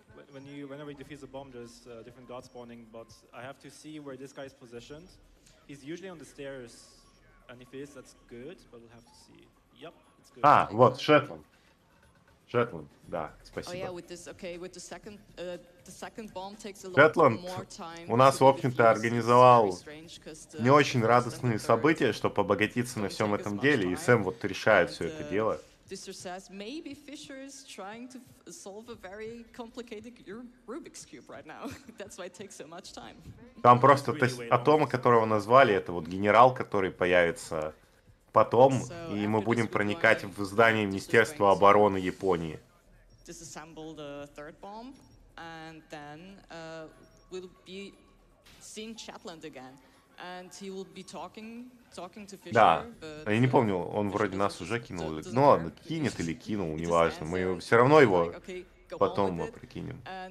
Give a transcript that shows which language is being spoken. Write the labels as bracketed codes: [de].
[en] Whenever you defuse a bomb, there's different guards spawning, but I have to see where this guy is positioned. He's usually on the stairs, and if he is, that's good, but we'll have to see. Yep, it's good. Ah, what? Shetland. Shetland, [ru] да, спасибо. [en] Oh yeah, with this, okay, with the second bomb takes a lot more time. [ru] У нас, в общем-то, организовал не очень радостные события, чтобы обогатиться на всем этом деле, и Сэм вот решает все это дело. [en] Distro says maybe Fisher is trying to solve a very complicated Rubik's cube right now. That's why it takes so much time. [ru] Там просто о том, которого назвали, это вот генерал, который появится потом, и мы будем проникать в здание Министерства обороны Японии. [en] Disassemble the third bomb, and then we'll be seeing Chatland again, and he will be talking. [ru] Да, я не помню, он вроде нас уже кинул, ну ладно, кинет или кинул, неважно, мы все равно его потом мы прикинем.